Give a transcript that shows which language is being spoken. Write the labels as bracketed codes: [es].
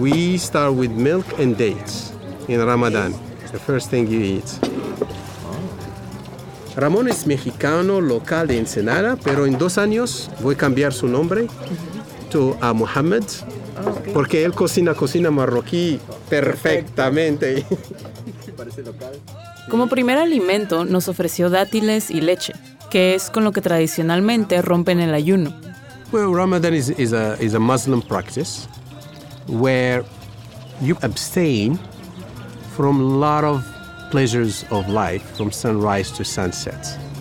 [en] We start with milk and dates in Ramadan. It's the first thing you eat. [es] Ramón es mexicano local de Ensenada, pero en 2 años voy a cambiar su nombre [en] to a [es] Mohammed, porque él cocina marroquí perfectamente. Como primer alimento nos ofreció dátiles y leche, que es con lo que tradicionalmente rompen el ayuno. [en] Well, Ramadan is a Muslim practice where you abstain from a lot of pleasures of life from sunrise to sunset.